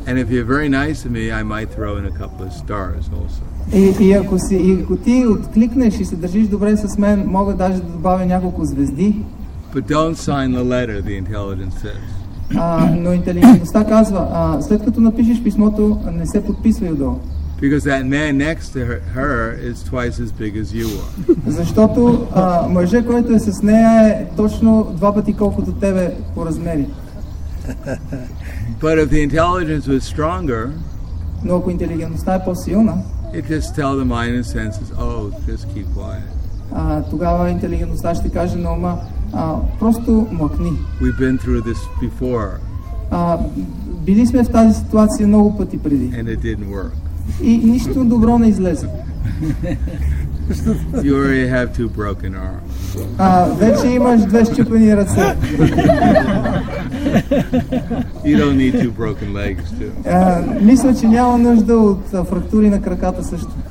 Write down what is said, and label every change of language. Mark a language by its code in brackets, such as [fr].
[en] And if you're very nice to me, I might throw in a couple of stars also. [bg] И ако ти откликнеш и се държиш добре с мен, мога даже да добавя няколко звезди. [en] But don't sign the letter, the intelligence says. [bg] Но интелигентността казва, след като напишеш писмото, не се подписвай отдолу. [en] Because that man next to her is twice as big as you are. [bg] Защото мъжът, който е с нея, е точно два пъти колкото тебе по размери. [en] But if the intelligence was stronger, [bg] но ако интелигентността е по-силна, [en] it just tell the mind and senses, oh, just keep quiet. [bg] Тогава интелигентността ще каже на ума, просто мълкни. [en] We've been through this before. [bg] Били сме в тази ситуация много пъти преди. [en] And it didn't work. [bg] И нищо добро не излезе. [en] You already have two broken arms. [bg] Вече имаш две счупени ръце. [en] You don't need two broken legs too. [bg] Мисля, че няма нужда от фрактури на краката също.